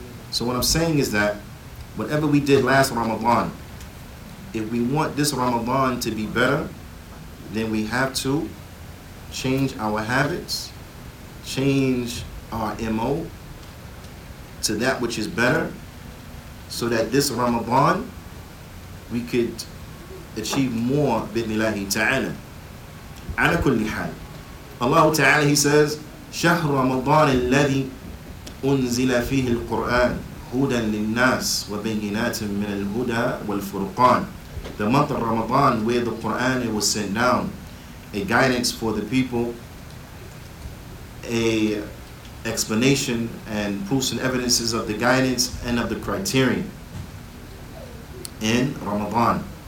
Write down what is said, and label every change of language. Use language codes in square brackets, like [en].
[en] So what I'm saying is that whatever we did last Ramadan, if we want this Ramadan to be better, then we have to change our habits, change our MO to that which is better, so that this Ramadan we could achieve more bi'nillahi ta'ala. Ala kulli hal, Allah ta'ala, he says, [ar] شهر رمضان الذي أنزل فيه القرآن هدى للناس وبينات من الهدى والفرقان. [en] The month of Ramadan where the Quran was sent down, a guidance for the people, a explanation and proofs and evidences of the guidance and of the criterion in Ramadan.